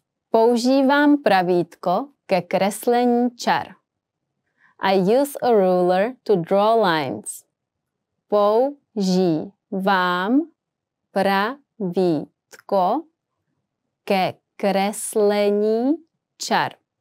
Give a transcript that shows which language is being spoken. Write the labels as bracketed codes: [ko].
[cs] Používám pravítko ke kreslení čar. [en] I use a ruler to draw lines. [cs] Používám pravítko ke kreslení čar.